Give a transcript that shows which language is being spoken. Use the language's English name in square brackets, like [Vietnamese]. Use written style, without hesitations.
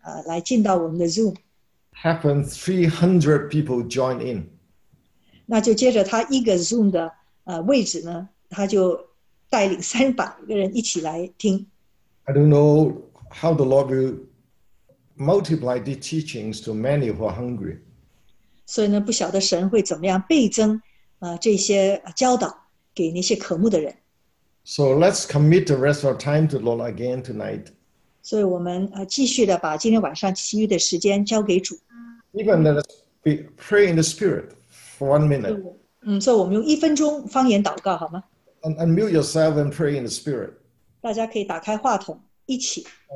[Chinese] 我知道呢，有一个位置给中国的家人来进到我们的Zoom. [English] Happened 300 people join in. [Chinese] 那就接着他一个Zoom的位置呢，他就带领300个人一起来听. [English] I don't know how the Lord will multiply the teachings to many who are hungry. [Chinese] 所以呢，不晓得神会怎么样倍增这些教导给那些渴慕的人。 [English] So let's commit the rest of our time to the Lord again tonight. [Chinese] 所以我们继续的把今天晚上其余的时间交给主。 [English] Even let us pray in the Spirit for 1 minute. [Chinese] 所以我们用1分钟方言祷告好吗？ [English] And unmute yourself and pray in the Spirit. [Chinese] 大家可以打开话筒一起。